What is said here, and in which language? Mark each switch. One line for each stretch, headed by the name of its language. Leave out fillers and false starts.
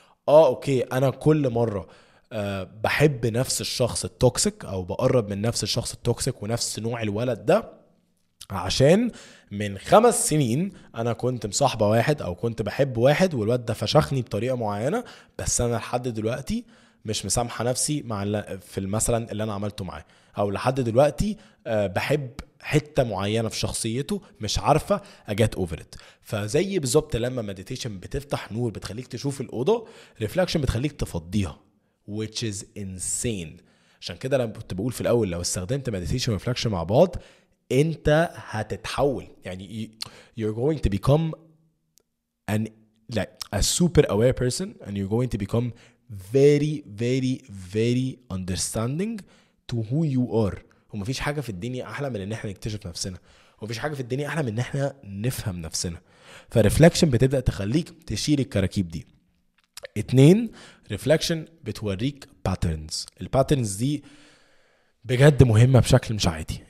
Arabic: اوكي انا كل مره بحب نفس الشخص التوكسيك او بقرب من نفس الشخص التوكسيك ونفس نوع الولد ده، عشان من 5 سنين انا كنت مصاحبة واحد او كنت بحب واحد والواد ده فشخني بطريقة معينة، بس انا لحد دلوقتي مش مسامحة نفسي مع في المثلا اللي انا عملته معاه، او لحد دلوقتي بحب حتة معينة في شخصيته مش عارفة اجات اوفرت. فزي بالظبط لما مديتيشن بتفتح نور بتخليك تشوف الاوضة، ريفلكشن بتخليك تفضيها،
English: which is insane.
Arabic: عشان كده لما كنت بقول في الاول لو استخدمت مديتيشن وريفلكشن مع بعض انت هتتحول، يعني
English: you're going to become an like a super aware person and you're going to become very very very understanding to who you are.
Arabic: ومفيش حاجه في الدنيا احلى من ان احنا نكتشف نفسنا، ومفيش حاجه في الدنيا احلى من ان احنا نفهم نفسنا. فريفلكشن بتبدا تخليك تشيل الكراكيب دي. 2 ريفلكشن بتوريك باترنز. الباترنز دي بجد مهمة بشكل مش عادي.